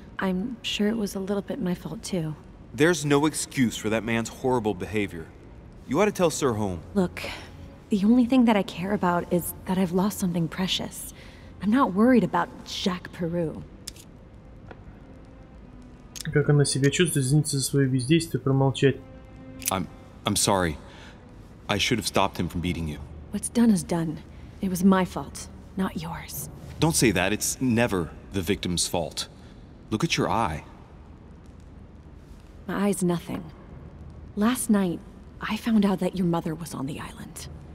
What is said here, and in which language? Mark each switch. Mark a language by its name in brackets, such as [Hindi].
[English] I'm sure it was a little bit my fault too. There's no excuse for that man's horrible behavior. You ought to tell Sir Holm. Look, the only thing that I care about is that I've lost something precious. I'm not worried about Jack Peru. [Russian] Как она себя чувствует, извиниться за свое бездействие, промолчать. [English] I'm sorry. I should have stopped him from beating you. What's done is done. It was my fault, not yours. Don't say that. It's never the victim's fault. Look at your eye. My eye's nothing. Last night, I found out that your mother was on the island.